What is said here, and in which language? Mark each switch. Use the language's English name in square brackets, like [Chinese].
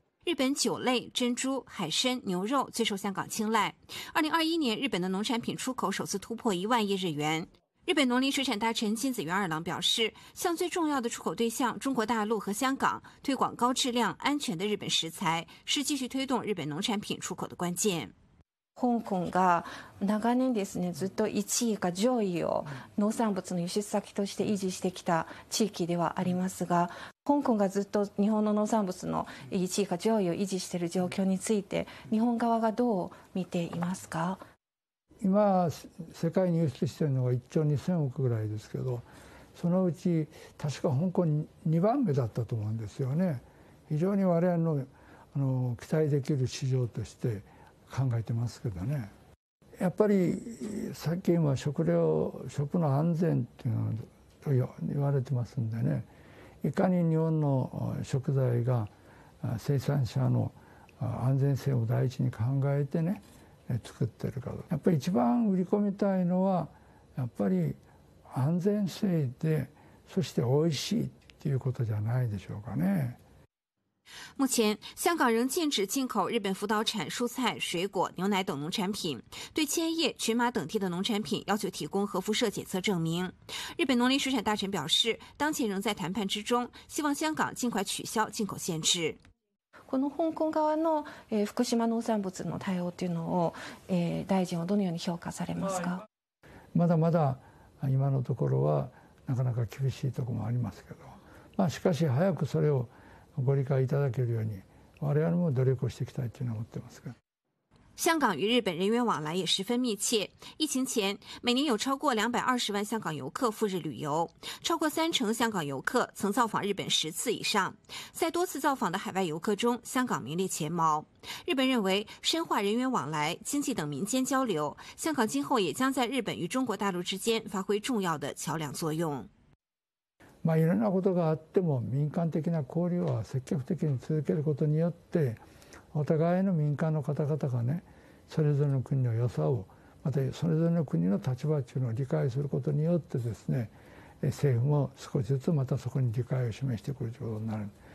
[Chinese] 日本酒类、珍珠、海参、牛肉最受香港青睐。 2021年，日本的农产品出口首次突破10000亿日元。日本农林水产大臣金子元二郎表示，向最重要的出口对象中国大陆和香港推广高质量、安全的日本食材，是继续推动日本农产品出口的关键。 [Japanese] 香港が長年ですね、ずっと1位か上位を農産物の輸出先として維持してきた地域ではありますが、香港がずっと日本の農産物の1位か上位を維持している状況について、日本側がどう見ていますか？今世界に輸出しているのが1兆2000億ぐらいですけど、そのうち確か香港2番目だったと思うんですよね。非常に我々の期待できる市場として考えてますけどね。やっぱり最近は食の安全っていうのと言われてますんでね、いかに日本の食材が生産者の安全性を第一に考えてね作ってるか、やっぱり一番売り込みたいのはやっぱり安全性で、そして美味しいっていうことじゃないでしょうかね。 [Chinese] 目前香港仍禁止进口日本福岛产蔬菜、水果、牛奶等农产品，对千叶、群马等地的农产品要求提供核辐射检测证明。日本农林水产大臣表示，当前仍在谈判之中，希望香港尽快取消进口限制。 [Japanese] この香港側の福島農産物の対応というのを大臣はどのように評価されますか？まだまだ今のところはなかなか厳しいところもありますけど、まあしかし早くそれをご理解いただけるように我々も努力をしていきたいというのを思ってますが。 [Chinese] 香港与日本人员往来也十分密切。疫情前，每年有超过220万香港游客赴日旅游，超过30%香港游客曾造访日本10次以上。在多次造访的海外游客中，香港名列前茅。日本认为，深化人员往来、经济等民间交流，香港今后也将在日本与中国大陆之间发挥重要的桥梁作用。 [Japanese] まあいろんなことがあっても、民間的な交流は積極的に続けることによって。お互いの民間の方々がね、それぞれの国の良さを、またそれぞれの国の立場というのを理解することによってですね、政府も少しずつまたそこに理解を示してくるということになる。